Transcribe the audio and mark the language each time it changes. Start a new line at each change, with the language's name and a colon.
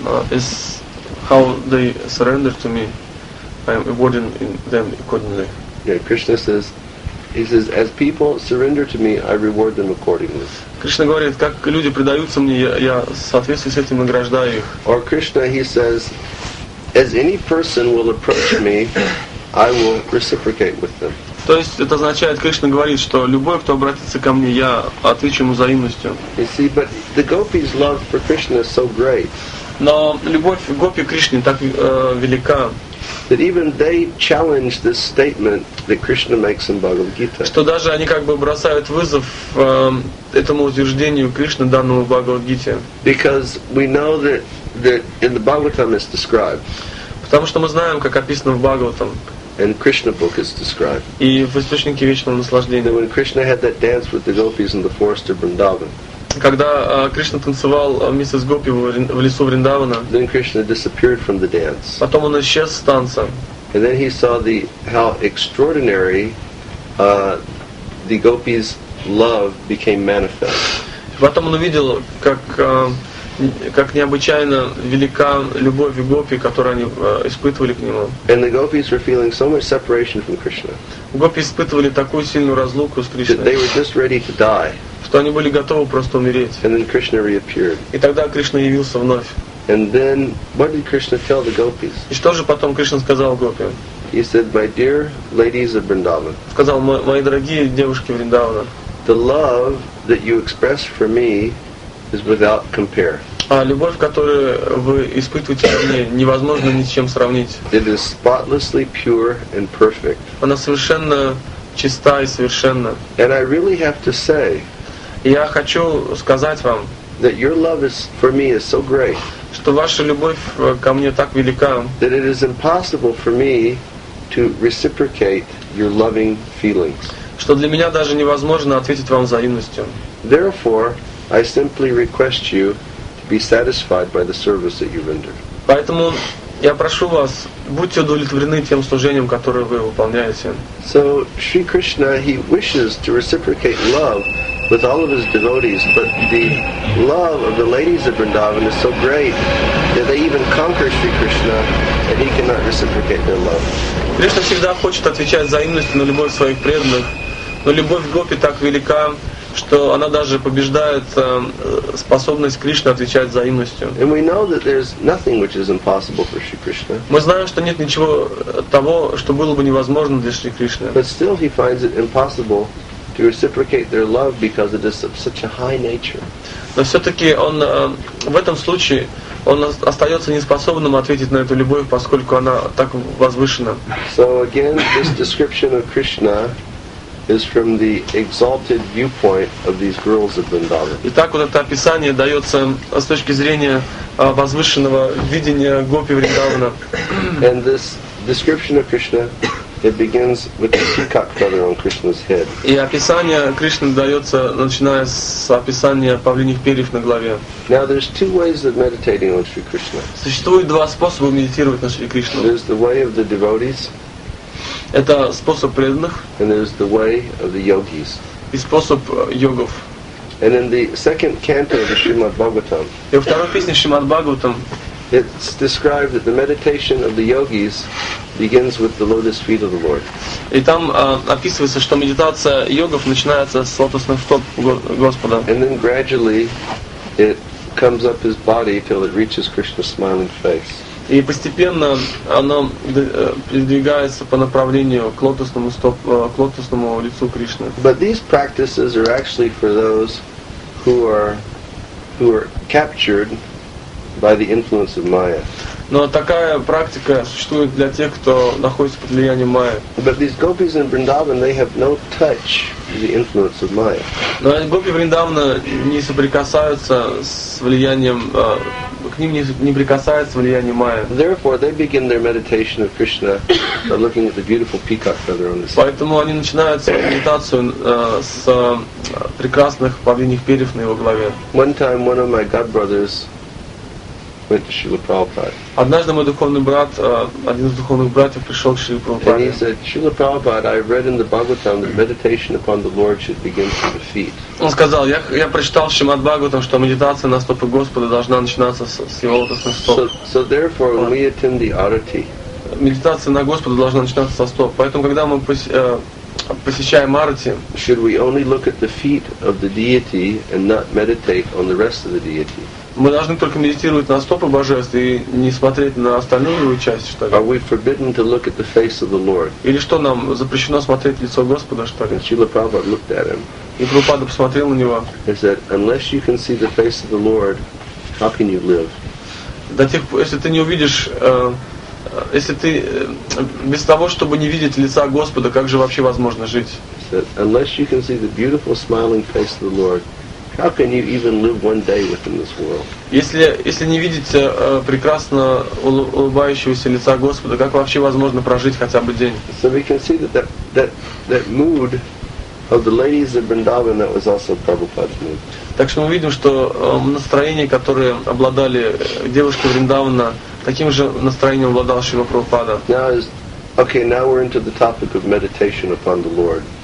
English: Is how they surrender to me. I am awarding them accordingly. Yeah, Krishna says, He says, as people surrender to me, I reward them accordingly.
Russian: Кришна говорит, как люди предаются мне, я в соответствии с этим награждаю их.
English: Or Krishna, he says, as any person will approach me, I will reciprocate with them.
Russian: То есть это означает, Кришна говорит, что любой, кто обратится ко мне, я отвечу ему взаимностью.
English: You see, but the gopis' love for Krishna is so great.
Russian: Но любовь гопи Кришне так велика.
English: That even they challenge this statement that Krishna makes in Bhagavad Gita.
Russian: Что даже они как бы бросают вызов этому утверждению Кришны данному в Бхагавад Гите.
English: Because we know that in the Bhagavatam is described.
Russian: Потому что мы знаем, как описано в Бхагаватам.
English: And Krishna book is described.
Russian: И в источнике вечного наслаждения.
English: That when Krishna had that dance with the gopis in the forest of Vrindavan.
Russian: Когда Кришна танцевал вместе с гопи в лесу Вриндавана,
English: then Krishna disappeared from the dance.
Russian: Потом он исчез с танца.
English: And then he saw the how extraordinary the gopis' love became manifest.
Russian: Потом он увидел, как необычайно велика любовь гопи, которую они испытывали к нему.
English: And the gopis were feeling so much separation from Krishna.
Russian: Гопи испытывали такую сильную разлуку с Кришной.
English: That they were just ready to die.
Russian: Что они были готовы просто умереть.
English: And then Krishna reappeared.
Russian: И тогда Кришна явился вновь.
English: And then, what did Krishna tell the gopis?
Russian: И что же потом Кришна сказал гопи?
English: He said, my dear ladies of Vrindavan.
Russian: Сказал, мои дорогие девушки Вриндавана.
English: The love that you express for me is without compare.
Russian: А любовь, которую вы испытываете ко мне, невозможно ни с чем сравнить.
English: It is spotlessly pure and perfect.
Russian: Она совершенно чиста и совершенна.
English: And I really have to say,
Russian: я хочу сказать вам,
English: that your love is for me is so great,
Russian: что ваша любовь ко мне так велика,
English: that it is impossible for me to reciprocate your loving feelings.
Russian: Что для меня даже невозможно ответить вам взаимностью.
English: Therefore, I simply request you to be satisfied by the service that you render.
Russian: Поэтому я прошу вас, будьте удовлетворены тем служением, которое вы выполняете.
English: So, Sri Krishna, he wishes to reciprocate love with all of his devotees, but the love of the ladies of Vrindavan is so great that they even conquer Sri Krishna, and he cannot reciprocate their love.
Russian: Кришна всегда хочет отвечать взаимностью на любовь своих преданных, но любовь гопи так велика, что она даже побеждает способность Кришны отвечать взаимностью.
English: And we know that there's nothing which is impossible for Sri Krishna.
Russian: Мы знаем, что нет ничего того, что было бы невозможно для Шри Кришны.
English: But still he finds it impossible to reciprocate their love because it is of such a high nature.
Russian: Но все-таки он в этом случае он остается неспособным ответить на эту любовь, поскольку она так возвышена.
English: So again, this description of Krishna is from the exalted viewpoint of these girls of Vrindavan.
Russian: Итак, вот это описание дается с точки зрения возвышенного видения гопи Вриндавана.
English: And this description of Krishna It begins with the peacock feather on Krishna's head.
Russian: И описание Кришны дается, начиная с описания павлиньих перьев на голове.
English: Now there's two ways of meditating on Sri Krishna.
Russian: Существует два способа медитировать на Шри Кришну.
English: There's the way of the devotees.
Russian: Это способ преданных.
English: And there's the way of the yogis.
Russian: И способ йогов.
English: And in the second canto of the Srimad Bhagavatam.
Russian: И во второй песне Шримад Бхагаватам.
English: It's described that the meditation of the yogis begins with the lotus feet of the Lord.
Russian: И там описывается, что медитация йогов начинается с лотосных стоп Господа.
English: And then gradually it comes up his body till it reaches Krishna's smiling face.
Russian: И постепенно оно передвигается по направлению к лотосному стопу, к лотосному лицу Кришны.
English: But these practices are actually for those who are captured by the influence of Maya.
Russian: Но такая практика существует для тех, кто находится под влиянием Майя.
English: But these gopis in Vrindavan, they have no touch with the influence of Maya.
Russian: Но гопи Вриндавана не соприкасаются с влиянием, к ним не прикасается влияние Майя.
English: Therefore, they begin their meditation of Krishna by looking at the beautiful peacock feather on the sky.
Russian: Поэтому они начинают свою медитацию с прекрасных павлиньих перьев на его голове.
English: One time, one of my god brothers went to Srila Prabhupada.
Russian: Однажды мой духовный брат, один из духовных братьев пришел к Шриле Прабхупаде.
English: And he said, Srila Prabhupada, I read in the Bhagavatam that meditation upon the Lord should begin from the feet.
Russian: Он сказал, я прочитал в Шримад Бхагаватам, что медитация на стопы Господа должна начинаться с его лотосных стоп.
English: So therefore, when we attend the arati,
Russian: медитация на Господа должна начинаться со стоп. Поэтому, когда мы посещаем арати,
English: should we only look at the feet of the deity and not meditate on the rest of the deity?
Russian: Мы должны только медитировать на стопы божеств и не смотреть на остальную часть, что ли?
English: Are we forbidden to look at the face of the Lord?
Russian: Или что, нам запрещено смотреть в лицо Господа, что ли?
English: And Srila Prabhupada looked at him.
Russian: И Прабхупада посмотрел на него.
English: He said, unless you can see the face of the Lord, how can you live?
Russian: До тех пор, если ты не увидишь, если ты без того, чтобы не видеть лица Господа, как же вообще возможно жить?
English: He said, unless you can see the beautiful smiling face of the Lord, how can you even live one day within this world?
Russian: Если не видите прекрасно улыбающегося лица Господа, как вообще возможно прожить хотя бы день?
English: So we can see that mood of the ladies of Vrindavan, that was also Prabhupada's mood.
Russian: Так что мы видим, что настроение, которое обладали девушки Вриндавана, таким же настроением обладал Шрила Прабхупада.
English: Now we're into the topic of meditation upon the Lord.